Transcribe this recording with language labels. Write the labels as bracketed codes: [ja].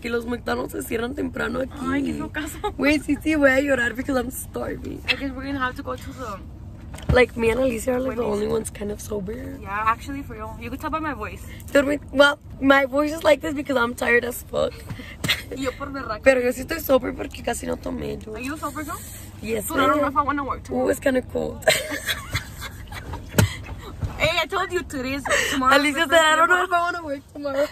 [es] Que los McDonald's se cierran temprano aquí. Ay, que no caso. [en] Wait, [es] sí, voy a llorar [en] because I'm starving. I guess we're gonna have to go to the... Like, me and Alicia are, like, the only ones kind of sober. Yeah, actually, for real. You could tell by my voice. Dude, well, my voice is like this because I'm tired as fuck. [es] Yo por berraca. Pero yo sí estoy sober porque casi no tomé. [en] Are you sober, though? Yes, I am. So, I don't know if I want to work tomorrow. Ooh, it's kind of cold. Hey, I told you today is tomorrow. Alicia said, I don't know if I want to work tomorrow.